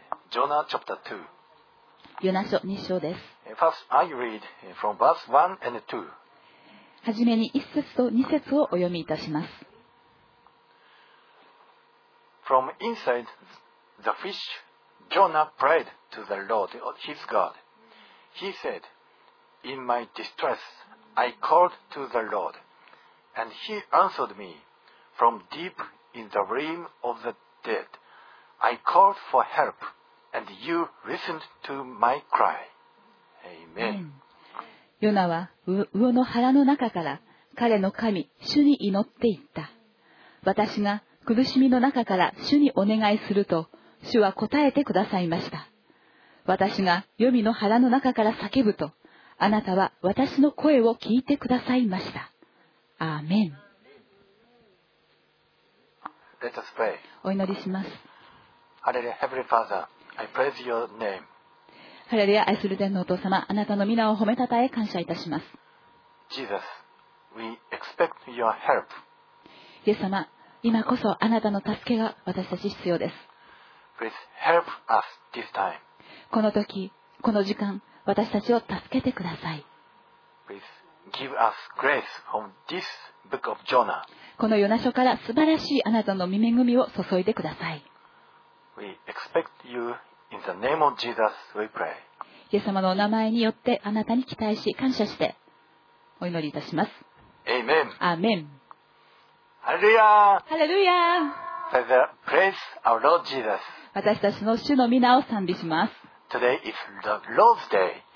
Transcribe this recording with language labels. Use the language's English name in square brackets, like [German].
[English] Jonah chapter 2. [Japanese] ヨナ書2章です。 [English] First, I read from verse 1 and 2. [Japanese] はじめに1節と2節をお読みいたします。 [English] From inside the fish, Jonah prayed to the Lord his God. He said, In my distress, I called to the Lord, and he answered me. From deep in the realm of the dead, I called for help. And you listened to my cry. Amen. [Japanese] ヨナは魚の腹の中から彼の神主に祈っていった。私が苦しみの中から主にお願いすると主は答えてくださいました。私が黄泉の腹の中から叫ぶとあなたは私の声を聞いてくださいました。アーメン。 [English] Let us pray. [Japanese] お祈りします。 [English] ハレルヤ、Heavenly FatherI praise your name. [Japanese] ハレルヤ、愛する天のお父様、あなたの皆を褒めたたえ感謝いたします。 [English] Jesus, we expect your help. [Japanese] イエス様、今こそあなたの助けが私たち必要です。 [English] Please help us this time. [Japanese] この時、この時間、私たちを助けてください。 [English] Please give us grace from this book of Jonah. [Japanese] このヨナ書から素晴らしいあなたの御恵みを注いでください。 [English] We expect you in the name of Jesus, we pray. [Japanese] イエス様のお名前によってあなたに期待し感謝してお祈りいたします。 [English] Amen. Amen. Hallelujah. Hallelujah. Father, praise our Lord Jesus. [Japanese] 私たちの主の皆を賛美します。 [English] Today is the Lord's Day.